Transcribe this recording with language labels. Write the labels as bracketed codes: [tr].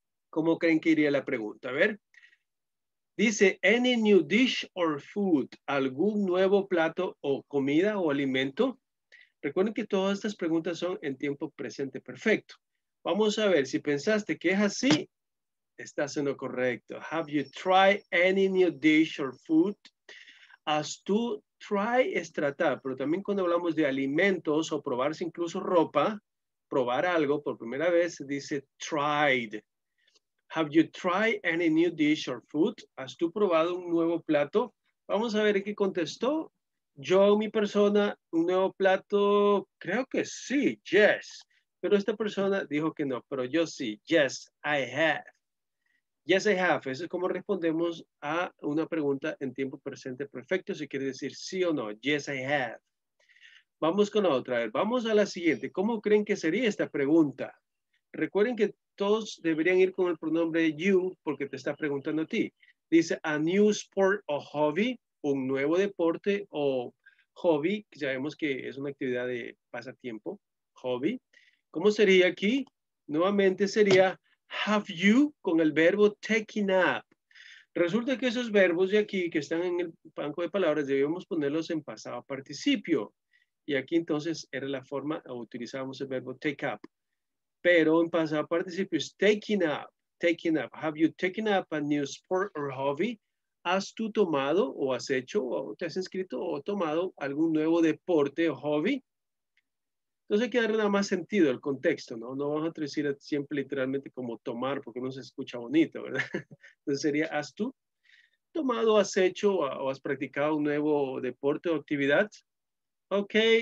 [es] ¿Cómo creen que iría la pregunta? A ver. Dice, [en] any new dish or food? [es] ¿Algún nuevo plato o comida o alimento? Recuerden que todas estas preguntas son en tiempo presente perfecto. Vamos a ver, si pensaste que es así, estás en lo correcto. [en] Have you tried any new dish or food? [es] As to try es tratar, pero también cuando hablamos de alimentos o probarse incluso ropa, probar algo por primera vez, dice tried. [en] Have you tried any new dish or food? [es] ¿Has tú probado un nuevo plato? Vamos a ver qué contestó. Yo, mi persona, un nuevo plato, creo que sí, yes. Pero esta persona dijo que no, pero yo sí, [en] yes, I have. Yes, I have. [es] Eso es como respondemos a una pregunta en tiempo presente perfecto, si quiere decir sí o no, [en] yes, I have. [es] Vamos con otra vez. Vamos a la siguiente. ¿Cómo creen que sería esta pregunta? Recuerden que todos deberían ir con el pronombre you porque te está preguntando a ti. Dice, [en] a new sport [es] o hobby, un nuevo deporte o hobby. Sabemos que es una actividad de pasatiempo, hobby. ¿Cómo sería aquí? Nuevamente sería, [en] have you, [es] con el verbo taking up. Resulta que esos verbos de aquí que están en el banco de palabras debemos ponerlos en pasado participio. Y aquí entonces era la forma, o utilizábamos el verbo take up. Pero en pasado participio es taking up. [en] Have you taken up a new sport or hobby? [es] ¿Has tú tomado o has hecho o te has inscrito o tomado algún nuevo deporte o hobby? Entonces hay que darle nada más sentido al contexto, ¿no? No vamos a decir siempre literalmente como tomar porque no se escucha bonito, ¿verdad? Entonces sería, ¿has tú tomado, has hecho o has practicado un nuevo deporte o actividad? Ok.